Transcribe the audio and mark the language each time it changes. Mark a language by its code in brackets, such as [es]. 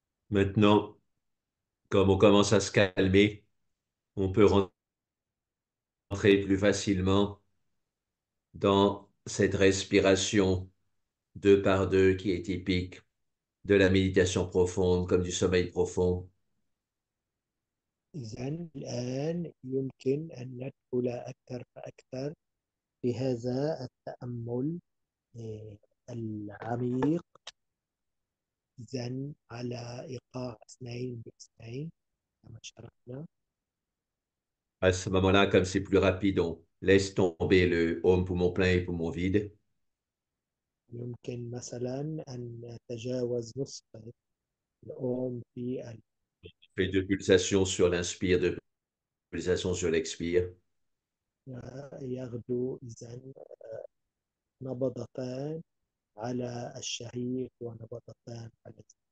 [fr] Maintenant, comme on commence à se calmer, on peut rentrer plus facilement dans cette respiration deux par deux qui est typique de la méditation profonde, comme du sommeil profond. [ar] إذن الآن يمكن أن ندخل أكثر فأكثر في هذا التأمل العميق، إذن على إيقاع 2 باثنين كما شرحنا. [fr] À ce moment-là, comme c'est plus rapide, on laisse tomber le home poumon plein et poumon vide. [ar] يمكن مثلا أن نتجاوز نصف الأوم في [fr] Fait deux pulsations sur l'inspire, deux pulsations sur l'expire. [ar] يغدو إذن نبضتان على الشهيق ونبضتان على